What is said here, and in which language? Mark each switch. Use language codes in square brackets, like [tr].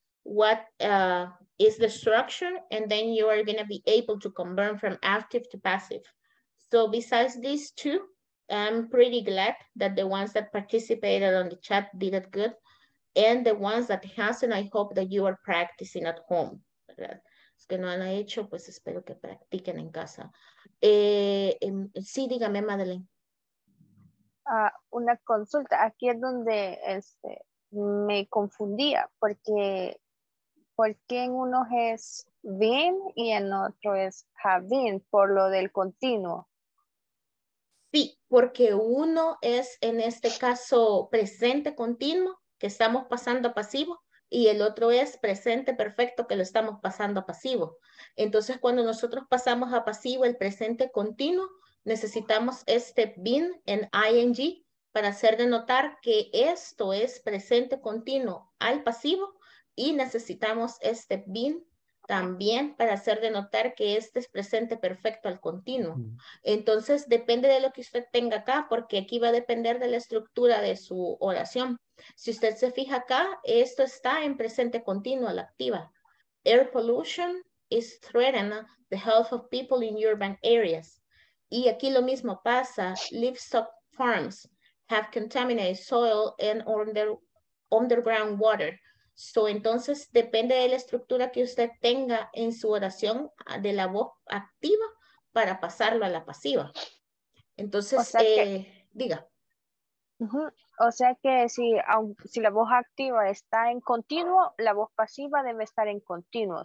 [en] What is the structure, and then you are gonna be able to convert from active to passive. So besides these two, I'm pretty glad that the ones that participated on the chat did it good, and the ones that hasn't, I hope that you are practicing at home. [es] ¿Verdad? Que no han hecho, pues espero que practiquen en casa. Sí, dígame, Madeleine. Una consulta. Aquí es donde me confundía, porque en uno es been y en otro es have been, por lo del continuo. Sí, porque uno es, en este caso, presente continuo, que estamos pasando a pasivo. Y el otro es presente perfecto, que lo estamos pasando a pasivo. Entonces, cuando nosotros pasamos a pasivo el presente continuo, necesitamos este been en ing para hacer denotar que esto es presente continuo al pasivo, y necesitamos este been también para hacer denotar que este es presente perfecto al continuo. Entonces, depende de lo que usted tenga acá, porque aquí va a depender de la estructura de su oración. Si usted se fija acá, esto está en presente continuo, la activa. [en] Air pollution is threatening the health of people in urban areas. [es] Y aquí lo mismo pasa. [en] Livestock farms have contaminated soil and underground water. [es] So, entonces, depende de la estructura que usted tenga en su oración de la voz activa para pasarlo a la pasiva. Entonces, diga. O sea que si la voz activa está en continuo, la voz pasiva debe estar en continuo.